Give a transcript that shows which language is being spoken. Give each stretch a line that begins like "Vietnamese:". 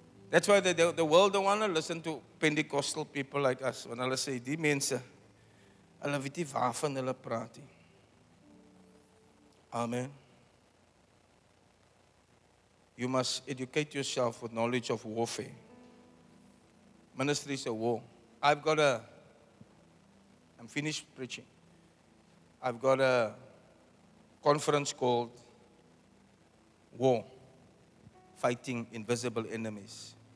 English: That's why the world don't want to listen to Pentecostal people like us.
Afrikaans: When hulle sê die mense, hulle weet nie waarvan hulle praat nie.
English: Amen. You must educate yourself with knowledge of warfare. Ministry is a war. I'm finished preaching. I've got a conference called War, Fighting Invisible Enemies.